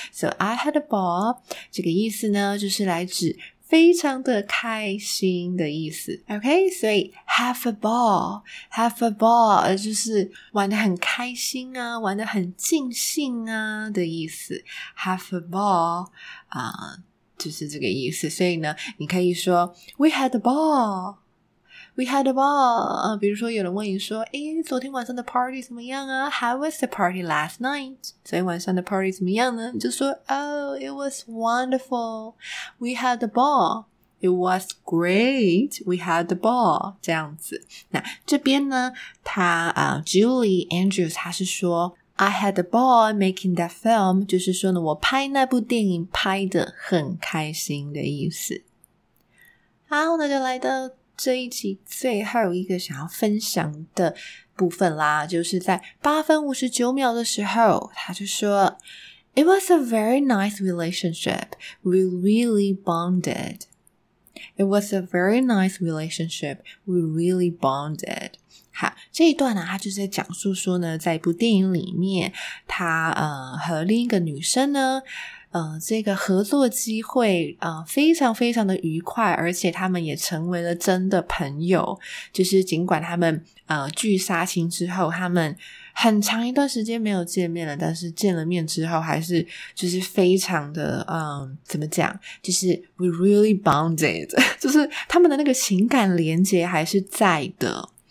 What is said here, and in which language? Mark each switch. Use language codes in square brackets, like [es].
[en] So I had a ball, [zh] 这个意思呢就是来指非常的开心的意思。 OK, 所以 [en] have a ball, [zh] 就是玩得很开心啊，玩得很尽兴啊的意思。 [en] Have a ball, [zh] 就是这个意思。所以呢你可以说 [en] we had a ball,We had a ball, [zh] 比如说有人问你说诶昨天晚上的 party 怎么样啊 [en] How was the party last night? [zh] 昨天晚上的 party 怎么样呢你就说 [en] Oh, it was wonderful. We had a ball. It was great. We had a ball. [zh] 这样子。那这边呢他 [en] Julie Andrews [zh] 他是说 [en] I had a ball making that film. [zh] 就是说呢我拍那部电影拍得很开心的意思。好那就来到这一集最后一个想要分享的部分啦，就是在8分59秒的时候，他就说 [en] It was a very nice relationship. We really bonded. It was a very nice relationship. We really bonded. [zh] 好，这一段呢，他就是在讲述说呢，在一部电影里面，他和另一个女生呢这个合作机会非常非常的愉快，而且他们也成为了真的朋友，就是尽管他们聚杀青之后他们很长一段时间没有见面了，但是见了面之后还是就是非常的怎么讲，就是 [en] we really bonded, [zh] 就是他们的那个情感连结还是在的。